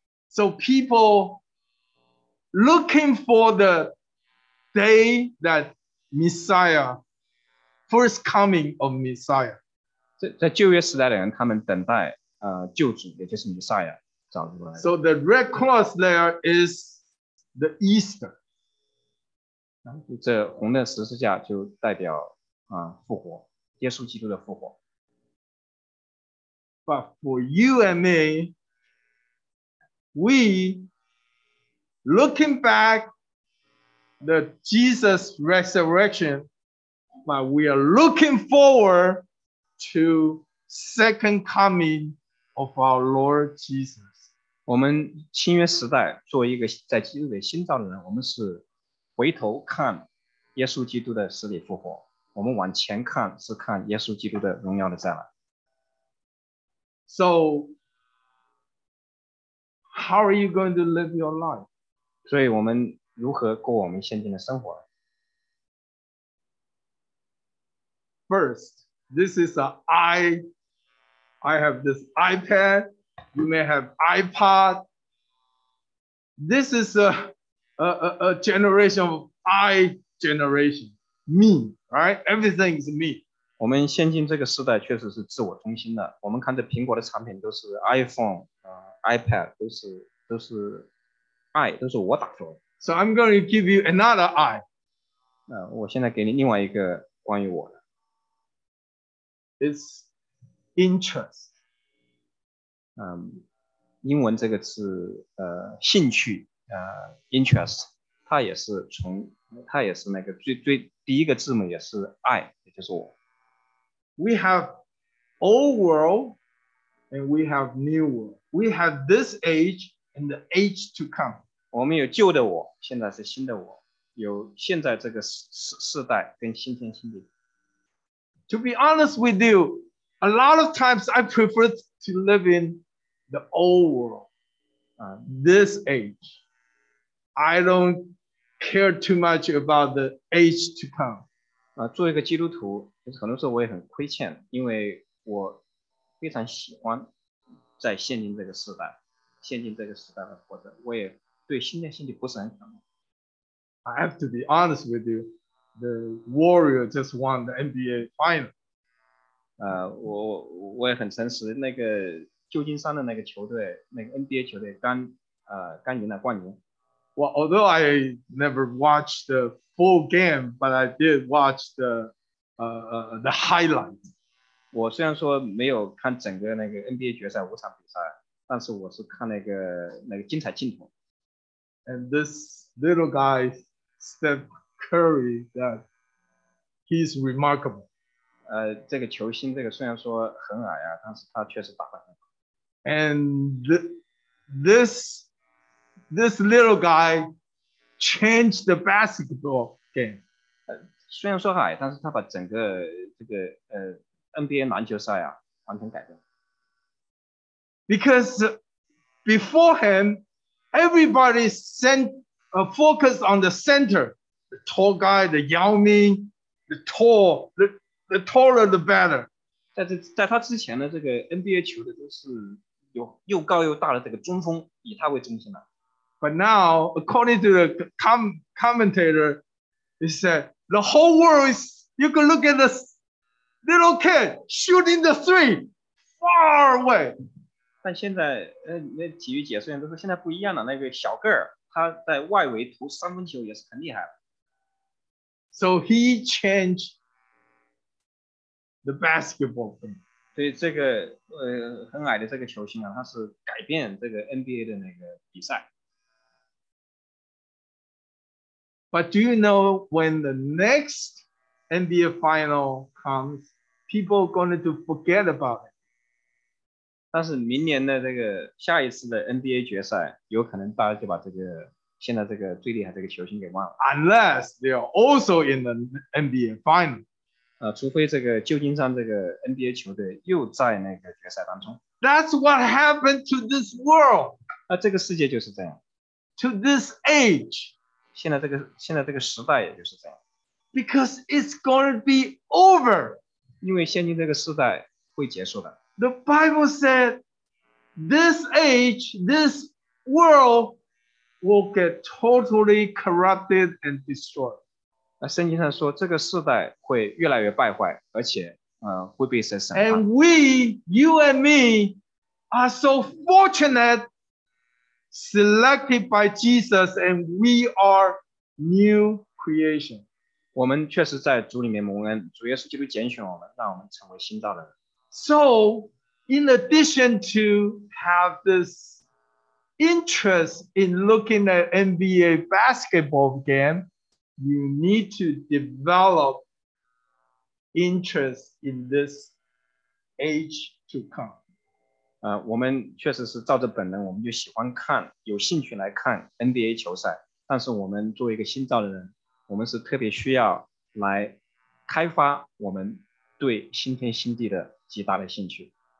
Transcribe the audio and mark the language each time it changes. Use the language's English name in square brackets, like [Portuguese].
[English] So people looking for the day that Messiah, first coming of Messiah. [Chinese] 在旧约时代的人，他们等待救主，也就是弥赛亚早日来。 [English] So the red cross there is. The Easter. [Chinese] 这红的十字架就代表复活，耶稣基督的复活。 [English] But for you and me, we looking back the Jesus resurrection, but we are looking forward to second coming of our Lord Jesus. [Chinese] 我们新约时代作为一个在基督里新造的人，我们是回头看耶稣基督的死里复活，我们往前看是看耶稣基督的荣耀的再来。 [English] So how are you going to live your life? [Chinese] 所以我们如何过我们现今的生活？ [English] First, this is an I have this iPadYou may have iPod. This is a generation of I generation. Me, right? Everything is me. [Chinese] 我们现今这个时代确实是自我中心的。我们看这苹果的产品都是 iPhone, iPad, 都是 I, 都是我打出来的。 [English] So I'm going to give you another I. [Chinese] 我现在给你另外一个关于我的。 [English] It's interest. [Chinese] 英文这个是兴趣interest, 它也是从它也是那个最第一个字母也是 I, 也就是我。 [English] We have old world and we have new world. We have this age and the age to come. [Chinese] 我们有旧的我，现在是新的我，有现在这个世代跟新天新地。 [English] To be honest with you, a lot of times I prefer to live inThe old world, this age. I don't care too much about the age to come. [Chinese] 作为一个基督徒，很多时候我也很亏欠，因为我非常喜欢在现今这个时代，现今这个时代的活着，我也对新天新地不是很感冒。 [English] I have to be honest with you. the Warrior just won the NBA final. [Chinese] 我也很诚实，那个旧金山的那个球队，那个 NBA 球队刚赢了冠军。 [English] Well, although I never watched the full game, but I did watch the highlight. [Chinese] 我虽然说没有看整个那个 NBA 决赛五场比赛，但是我是看那个精彩镜头。 [English] And this little guy, Steph Curry, that he's remarkable. [Chinese] 这个球星这个虽然说很矮啊，但是他确实打得很好。 [English] And this little guy changed the basketball game. [Chinese] 虽然说矮，但是他把整个这个NBA 篮球赛啊完全改变。 [English] Because beforehand, everybody focused on the center, the tall guy, the Yao Ming, the taller the better. [Chinese] 在他之前的这个 NBA 球的都是有又高又大的这个中锋，以他为中心的。 [English] But now, according to the commentator, he said the whole world is. You can look at this little kid shooting the three far away. [Chinese] 但现在，那体育解说员都说现在不一样了。那个小个儿，他在外围投三分球也是很厉害的。 [English] So he changed the basketball game. [Chinese] 对这个很矮的这个球星啊，他是改变这个 NBA 的那个比赛。 [English] But do you know when the next NBA final comes, people are going to forget about it? [Chinese] 但是明年的这个下一次的 NBA 决赛，有可能大家就把这个现在这个最厉害这个球星给忘了。 [English] Unless they are also in the NBA final. [Chinese] 除非这个旧金山这个 NBA 球队又在那个决赛当中。 [English] That's what happened to this world. [Chinese] 这个世界就是这样。 [English] To this age. [Chinese] 现在这个时代也就是这样。 [English] Because it's going to be over. [Chinese] 因为现今这个时代会结束的。 [English] The Bible said, this age, this world will get totally corrupted and destroyed. [Chinese] 那圣经上说这个时代会越来越败坏，而且会被神审判。 [English] And we, you and me, are so fortunate. Selected by Jesus, and we are new creation. [Chinese] 我们确实在主里面蒙恩，主耶稣基督拣选我们，让我们成为新造的人。 [English] So, in addition to have this interest in looking at NBA basketball game, you need to develop interest in this age to come. [Chinese] 我们确实是照着本能，我们就喜欢看，有兴趣来看 NBA 球赛。但是我们作为一个新造的人，我们是特别需要来开发我们对新天新地的极大的兴趣。